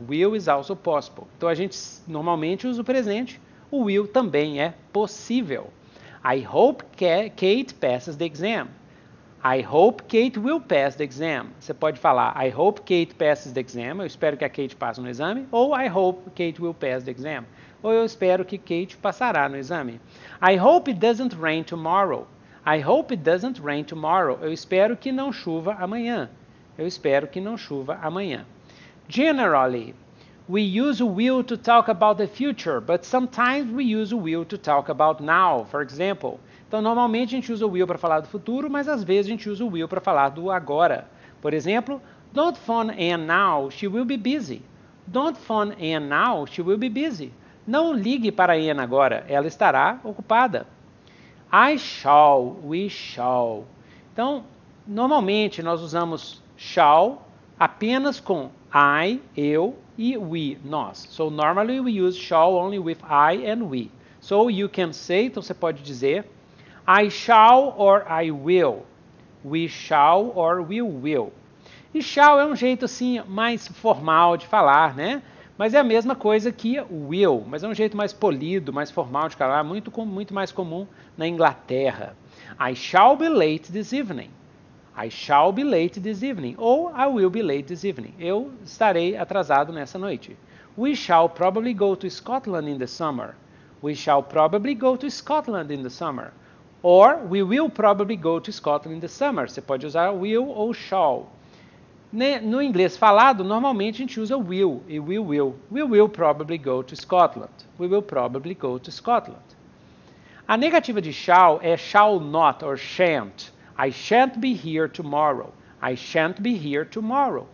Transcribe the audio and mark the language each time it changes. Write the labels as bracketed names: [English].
[English] Will is also possible. [Portuguese] Então, a gente normalmente usa o presente. O will também é possível. [English] I hope Kate passes the exam. I hope Kate will pass the exam. [Portuguese] Você pode falar, [English] I hope Kate passes the exam. [Portuguese] Eu espero que a Kate passe no exame. [English] Ou, I hope Kate will pass the exam. [Portuguese] Ou, eu espero que Kate passará no exame. [English] I hope it doesn't rain tomorrow. I hope it doesn't rain tomorrow. [Portuguese] Eu espero que não chova amanhã. Eu espero que não chova amanhã. [English] Generally, we use will to talk about the future, but sometimes we use will to talk about now, for example. [Portuguese] Então, normalmente a gente usa will para falar do futuro, mas às vezes a gente usa will para falar do agora. Por exemplo, [English] don't phone Anne now, she will be busy. Don't phone Anne now, she will be busy. [Portuguese] Não ligue para Anne agora, ela estará ocupada. [English] I shall, we shall. [Portuguese] Então, normalmente nós usamos shall apenas com I, eu e we, nós. [English] So, normally we use shall only with I and we. So, you can say, [Portuguese] então você pode dizer, [English] I shall or I will. We shall or we will. [Portuguese] E shall é um jeito assim mais formal de falar, né? Mas é a mesma coisa que will, mas é um jeito mais polido, mais formal de falar, muito mais comum na Inglaterra. [English] I shall be late this evening. I shall be late this evening. Ou I will be late this evening. [Portuguese] Eu estarei atrasado nessa noite. [English] We shall probably go to Scotland in the summer. We shall probably go to Scotland in the summer. Or we will probably go to Scotland in the summer. [Portuguese] Você pode usar will ou shall. No inglês falado, normalmente a gente usa will e will. [English] We will probably go to Scotland. We will probably go to Scotland. [Portuguese] A negativa de shall é shall not or shan't. [English] I shan't be here tomorrow. I shan't be here tomorrow.